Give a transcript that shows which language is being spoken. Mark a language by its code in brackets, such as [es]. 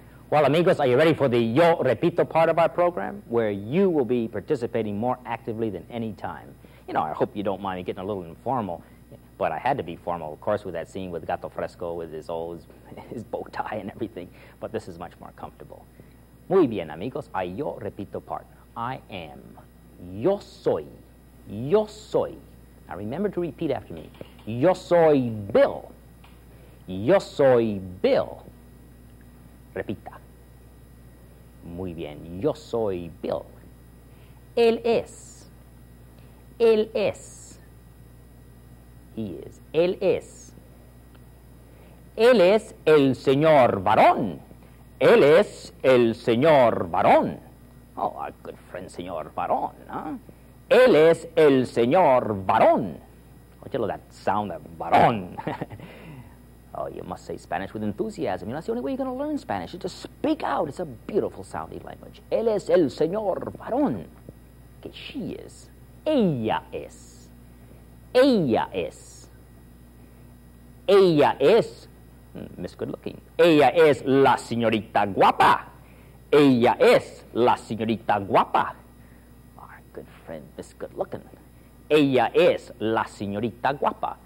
[en] Well, amigos, are you ready for the Yo Repito part of our program, where you will be participating more actively than any time? You know, I hope you don't mind me getting a little informal, but I had to be formal, of course, with that scene with Gato Fresco with his bow tie and everything, but this is much more comfortable. [es] Muy bien, amigos, a Yo Repito part. [en] I am. [es] Yo soy. Yo soy. [en] Now, remember to repeat after me. [es] Yo soy Bill. Yo soy Bill. Repita. Muy bien. Yo soy Bill. Él es. Él es. [en] He is. [es] Él es. Él es el señor varón. Él es el señor varón. [en] Oh, our good friend, señor varón, huh? [es] Él es el señor varón. [en] Don't you love that sound, that varón? Oh, you must say Spanish with enthusiasm. You know, that's the only way you're going to learn Spanish, is to speak out. It's a beautiful sounding language. [es] Él es el señor varón. [en] Okay, she is. [es] Ella es. Ella es. Ella es. [en] Miss Good Looking. [es] Ella es la señorita guapa. Ella es la señorita guapa. [en] Our good friend, Miss Good Looking. [es] Ella es la señorita guapa.